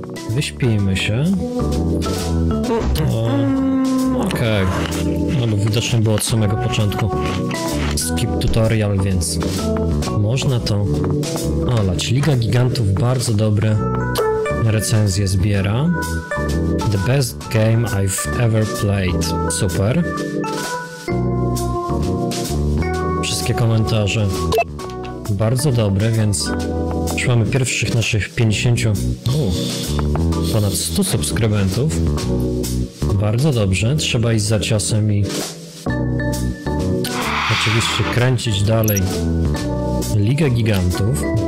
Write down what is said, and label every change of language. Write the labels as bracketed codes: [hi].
[pl] Wyśpijmy się. Okej. No bo widocznie było od samego początku skip tutorial, więc można to olać. Liga Gigantów bardzo dobre recenzje zbiera. [en] The best game I've ever played. [pl] Super. Wszystkie komentarze bardzo dobre, więc już mamy pierwszych naszych 50, ponad 100 subskrybentów. Bardzo dobrze, trzeba iść za ciosem i oczywiście kręcić dalej Ligę Gigantów.